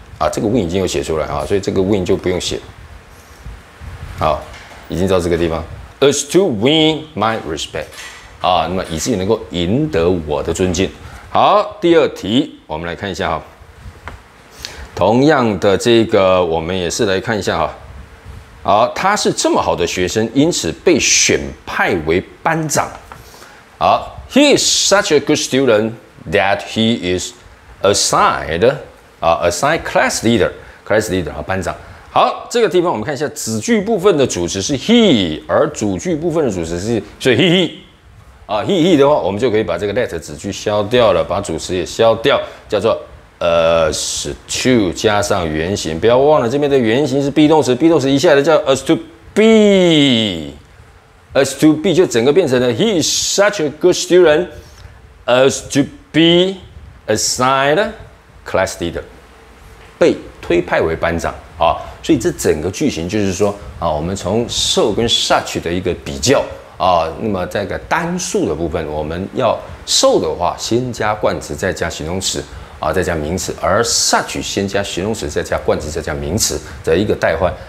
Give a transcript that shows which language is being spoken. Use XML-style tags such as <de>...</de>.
<zh>啊，这个 win 已经有写出来啊，所以这个 win 就不用写。好，已经到这个地方 ，</zh> <en>as to win my respect，</en> <zh>啊，那么以至于能够赢得我的尊敬。好，第二题，我们来看一下哈。同样的这个，我们也是来看一下哈。好，他是这么好的学生，因此被选派为班长。好</zh> <en>，he is such a good student that he is assigned。啊、assign class leader， class leader 啊，</en> <zh>班长。好，这个地方我们看一下子句部分的主词是 he， 而主句部分的主词是所以 he he， 啊 he he 的话，我们就可以把这个 let 子句消掉了，把主词也消掉，叫做as to 加上原形。不要忘了这边的原形是</zh> <en>be 动词 ，be 动词一下子叫 as to be，as to be</en> <zh>就整个变成了</zh> <en>he is such a good student as to be assigned。</en> <zh>Class leader 被推派为班长啊，所以这整个句型就是说啊，我们从 so 跟 such 的一个比较啊，那么在个单数的部分，我们要 so 的话先加冠词，再加形容词啊，再加名词；而 such 先加形容词，再加冠词，再加名词的一个代换。</zh>